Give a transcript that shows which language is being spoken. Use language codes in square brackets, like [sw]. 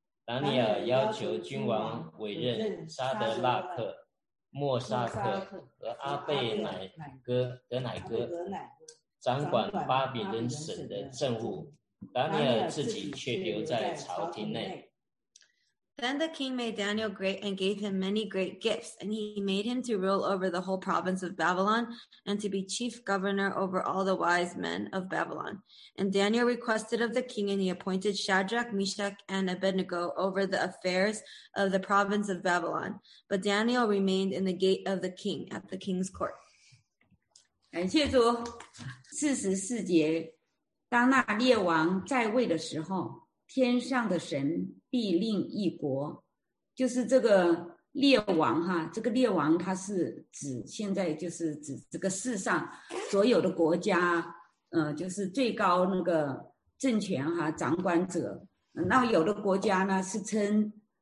[zh] 达尼尔要求君王委任沙德拉克、莫沙克和阿贝乃哥德乃哥掌管巴比伦省的政务，达尼尔自己却留在朝廷内。 [en] Then the king made Daniel great and gave him many great gifts, and he made him to rule over the whole province of Babylon and to be chief governor over all the wise men of Babylon. And Daniel requested of the king, and he appointed Shadrach, Meshach, and Abednego over the affairs of the province of Babylon. But Daniel remained in the gate of the king at the king's court. [zh] 感谢主。四十四节，当那列王在位的时候，天上的神必另一国，就是这个列王哈，这个列王他是指现在就是指这个世上所有的国家，就是最高那个政权哈，掌管者。那有的国家呢是称